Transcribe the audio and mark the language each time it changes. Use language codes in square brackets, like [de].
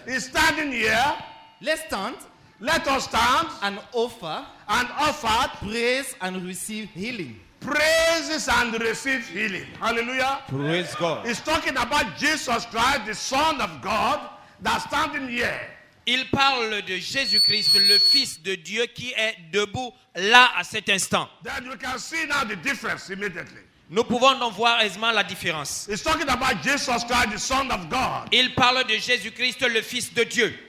[en] Is standing here. Let's stand. Let us stand and offer praise and receive healing. Praises and receive healing. Hallelujah. Praise God. He's talking about Jesus Christ, the Son of God, that's standing here. [fr] Il parle de Jésus-Christ, le Fils de Dieu, qui est debout là à cet instant. [en] Then we can see now the difference immediately. [fr] Nous pouvons donc voir aisément la différence. [en] He's talking about Jesus Christ, the Son of God. [fr] Il parle de Jésus-Christ, le Fils de Dieu.